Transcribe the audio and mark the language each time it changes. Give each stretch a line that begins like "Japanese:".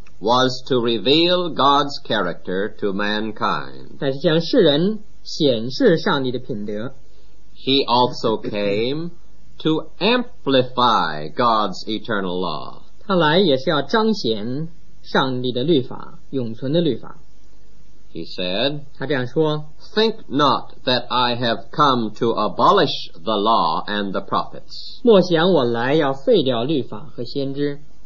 English: was to reveal God's character to mankind.
Chinese: 乃是向世人显示上帝的品德。
English: He also came to amplify God's eternal law.
Chinese: 他来也是要彰显上帝的律法，永存的律法。
English: He said,
Chinese: 他这样说，
English: Think not that I have come to abolish the law and the prophets.
Chinese: 莫想我来要废掉律法和先知。